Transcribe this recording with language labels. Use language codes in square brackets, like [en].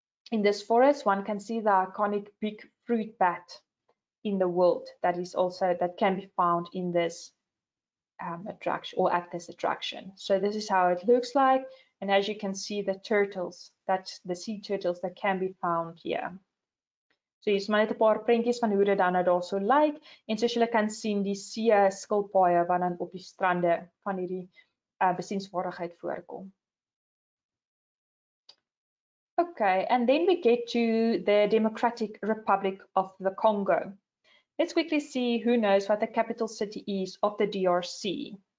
[en] In this forest, one can see the iconic big fruit bat in the world that can be found in this attraction or at this attraction. So this is how it looks like. And as you can see, the turtles, that's the sea turtles that can be found here. [af] So hier is maar net 'n paar prentjies van hoe dit dan nou daar so lyk. En soos julle kan sien, die see skilpaaie wat dan op die strande van hierdie besienswaardigheid voorkom. [en] Okay, and then we get to the Democratic Republic of the Congo. Let's quickly see who knows what the capital city is of the DRC.